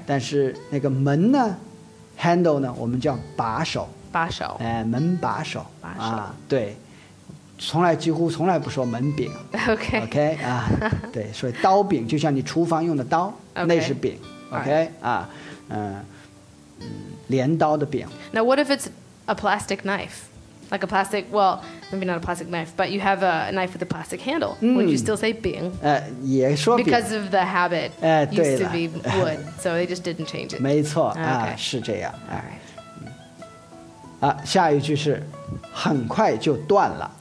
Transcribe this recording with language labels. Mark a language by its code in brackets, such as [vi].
[zh] 但是那个门呢 handle 呢我们叫把手把手哎、门把手把手、啊、对从来几乎从来不说门柄 [en] OK [zh] OK 啊对所以刀柄就像你厨房用的刀、 [en] okay. [zh] 那是柄 OK、 [en] right. [zh] 啊镰刀的柄 [en] Now what if it's a plastic knife like a plastic well maybe not a plastic knife but you have a knife with a plastic handle、嗯、 would you still say 柄 [zh] 也说柄 [en] because of the habit、 [zh] 对了 [en] used to be wood so they just didn't change it [zh] 没错、 [en] okay. [zh] 啊、是这样、 [en] right. [zh] 啊、下一句是很快就断了